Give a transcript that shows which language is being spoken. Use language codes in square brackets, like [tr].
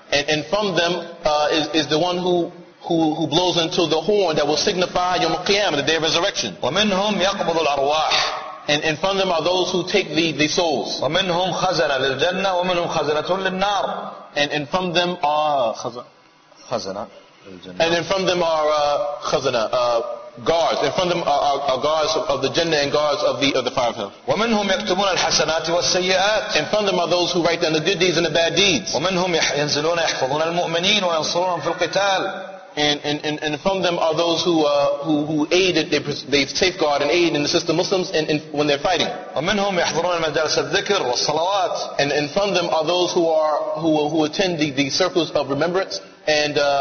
[en] And from them is the one who blows into the horn that will signify [ar] يوم القيامة, [en] the day of resurrection. [ar] ومنهم يقبض الأرواح. [en] And from them are those who take the souls. [ar] ومنهم خزنة للجنة ومنهم خزنة للنار. [en] And from them are [ar] خزنة للجنة. [en] And from them are خزنة guards. And from them are guards of the Jannah and guards of the fire of hell. [ar] ومنهم يكتبون الحسنات والسيئات. [en] And from them are those who write down the good deeds and the bad deeds. [ar] ومنهم ينزلون يحفظون المؤمنين وينصرونهم في القتال. [en] And from them are those who aid it, they safeguard and aid and assist the Muslims in when they're fighting. [ar] ومنهم يحضرون المجالس الذكر والصلوات. [en] And from them are those who attend the circles of remembrance and